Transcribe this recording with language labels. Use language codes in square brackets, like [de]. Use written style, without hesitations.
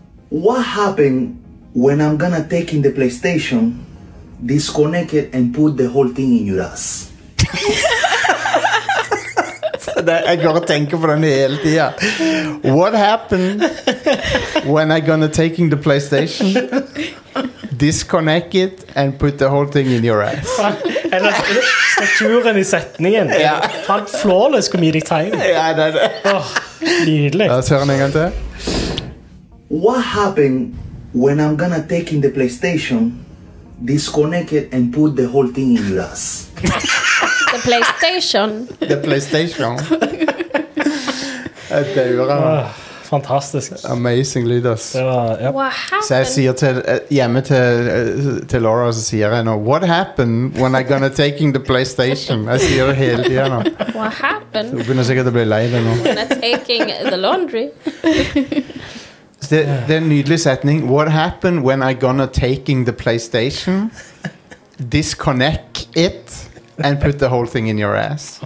[en] What happened when I'm gonna take in the PlayStation, disconnect it and put the whole thing in your ass? [no] Jeg går og tenker på den hele tiden. [en] What happened when I'm gonna take in the PlayStation, disconnect it and put the whole thing in your ass? [no] Eller strukturen i setningen. Ja. [en] Fan, flawless comedic timing. [no] Ja, det er det. Oh, nydelig. La oss høre den en gang til. [en] What happened when I'm gonna take in the PlayStation, disconnect it and put the whole thing in your ass? The PlayStation. [no] Det gjør han. Fantastisk. [en] Amazing lyd, ass. Yep. [no] Så jeg sier hjemme til Laura, så sier jeg nå, [en] what happened when I'm gonna taking the PlayStation? [no] Jeg sier det hele tiden nå. [en] What happened? [no] Du begynner sikkert å bli lei det nå. [en] When I'm taking the laundry. [no] Det er en nydelig setning. [en] What happened when I'm gonna taking the PlayStation? Disconnect it and put the whole thing in your ass.